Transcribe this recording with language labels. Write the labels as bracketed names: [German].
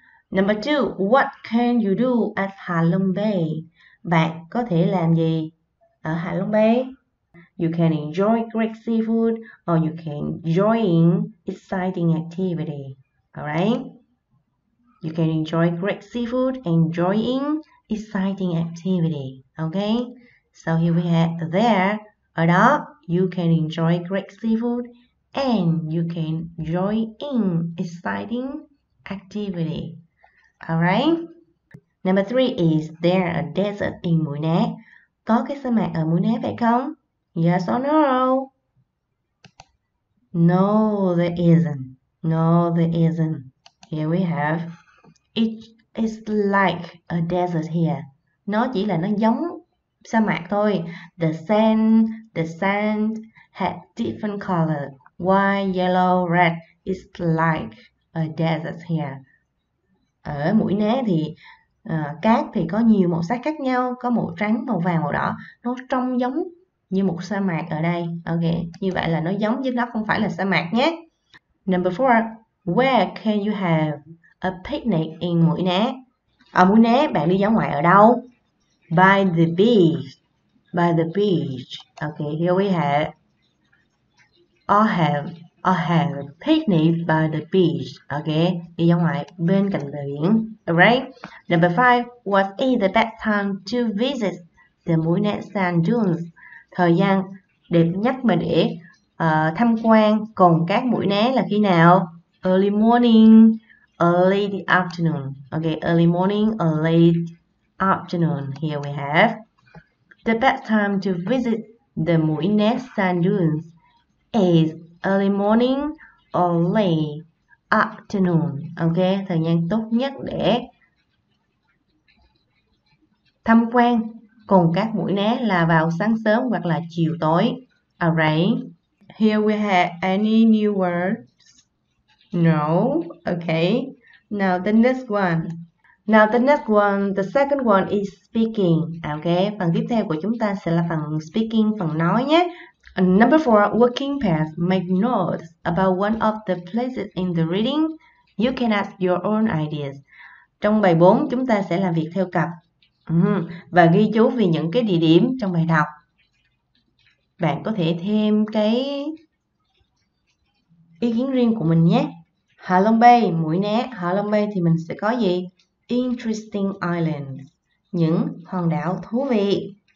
[English] Number two, what can you do at Hạ Long Bay? [Vietnamese] Bạn có thể làm gì ở Hạ Long Bay? [English] You can enjoy great seafood or you can join exciting activity. Alright. You can enjoy great seafood and join exciting activity. Okay. So here we have there. [Vietnamese] Ở đó, [English] you can enjoy great seafood and you can join in exciting activity. Alright. Number three, is there a desert in Mũi Né? [Vietnamese] Có cái sa mạc ở Mũi Né phải không? [English] Yes or no? No, there isn't. No, there isn't. Here we have. It is like a desert here. [Vietnamese] Nó chỉ là nó giống sa mạc thôi. [English] The sand had different color. White, yellow, red is like a desert here. [Vietnamese] Ở Mũi Né thì cát thì có nhiều màu sắc khác nhau, có màu trắng, màu vàng, màu đỏ. Nó trông giống như một sa mạc ở đây. Ok, như vậy là nó giống với nó không phải là sa mạc nhé. [English] Number four, where can you have a picnic in Mũi Né? [Vietnamese] Ở Mũi Né bạn đi dã ngoại ở đâu? [English] By the beach. By the beach. Okay, here we have. I have a picnic by the beach. [Vietnamese] Okay, đi dã ngoại bên cạnh bờ biển. [English] Alright. Number five. What is the best time to visit the Mũi Né sand dunes? [Vietnamese] Thời gian đẹp nhất mà để tham quan cồn cát Mũi Né là khi nào? [English] Early morning, early the afternoon. Okay, early morning or late afternoon. Here we have. The best time to visit the Mũi Né sand dunes is early morning or late afternoon. [Vietnamese] Okay, thời gian tốt nhất để tham quan cồn cát Mũi Né là vào sáng sớm hoặc là chiều tối. [English] Alright. Here we have any new words? No. Okay. Now the next one. Now the next one, the second one is speaking. [Vietnamese] Okay, phần tiếp theo của chúng ta sẽ là phần speaking, phần nói nhé. [English] Number four, working pairs make notes about one of the places in the reading. You can ask your own ideas. [Vietnamese] Trong bài 4, chúng ta sẽ làm việc theo cặp và ghi chú về những cái địa điểm trong bài đọc. Bạn có thể thêm cái ý kiến riêng của mình nhé. Hạ Long Bay, Mũi Né. Hạ Long Bay thì mình sẽ có gì? [English] Interesting islands, [Vietnamese] những hòn đảo thú vị.